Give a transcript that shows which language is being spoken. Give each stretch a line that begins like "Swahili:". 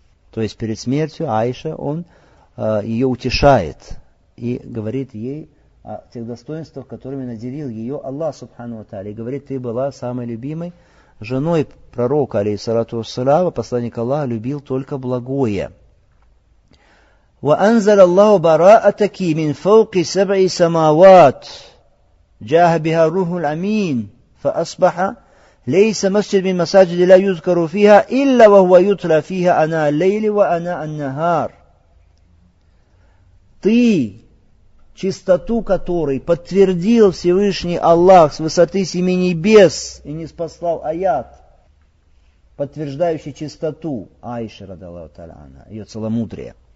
Russian: То есть перед смертью Аиша, он ее утешает и говорит ей о тех достоинствах, которыми наделил ее Аллах Субхану ва Тааля. И говорит, ты была самой любимой женой пророка, алейхиссалату вассалям, посланник Аллаха любил только благое.
Arabic: وأنزل الله براءتك من فوق سبع سماوات جاه بها الروح الأمين فأصبح ليس مسجد من مساجد لا يذكر فيها إلا وهو يتلى فيها أنا الليل وأنا النهار.
Russian: Ты чистоту которой подтвердил Всевышний Аллах с высоты семи небес и ниспослал аят, подтверждающий чистоту Аиши радиаллаху тааля анха, ее целомудрие.